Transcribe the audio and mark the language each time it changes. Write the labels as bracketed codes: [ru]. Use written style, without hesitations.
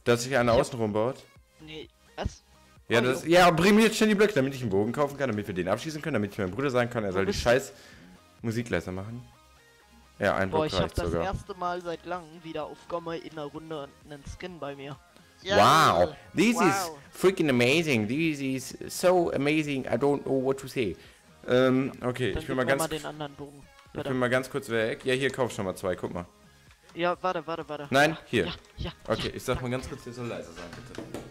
[de] Dass sich einer außenrum baut. Nee, was? Ja, das. Ja, bring mir jetzt schnell die Blöcke, damit ich einen Bogen kaufen kann, damit wir den abschießen können, damit ich meinem Bruder sagen kann, er soll die scheiß Musik leiser machen. Ja, ein Block reicht sogar. Boah, ich hab das erste Mal seit langem wieder auf Gomme in einer Runde einen Skin bei mir. [en] Yeah. Wow, this is freaking amazing. This is so amazing, I don't know what to say. Okay, [de] dann ich will mal ganz. Den anderen Bogen. Ich will mal ganz kurz weg. Ja, hier kauf schon mal zwei, guck mal. Ja, warte. Nein, ja, hier. Ja, ja, okay, ja, ich sag mal ganz kurz, ihr soll leise sein, bitte.